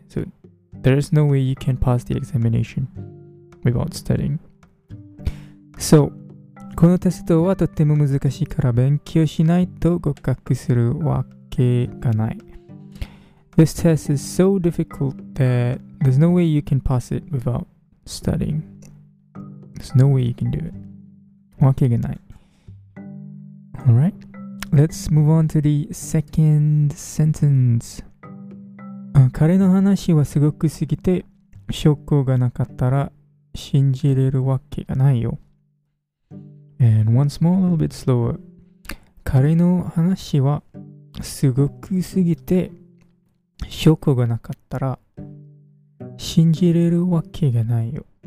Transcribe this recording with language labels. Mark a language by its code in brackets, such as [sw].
[en] So, there is no way you can pass the examination without studying. [ja] So, このテストはとても難しいから勉強しないと合格するわけがない。 [en] This test is so difficult that there's no way you can pass it without studying. There's no way you can do it. [ja] わけがない。 [en] Alright, let's move on to the second sentence. [ja] 彼の話はすごくすぎて、証拠がなかったら信じれるわけがないよ。 [en] And once more, a little bit slower. [ja] 彼の話はすごくすぎて、証拠がなかったら信じれるわけがないよ。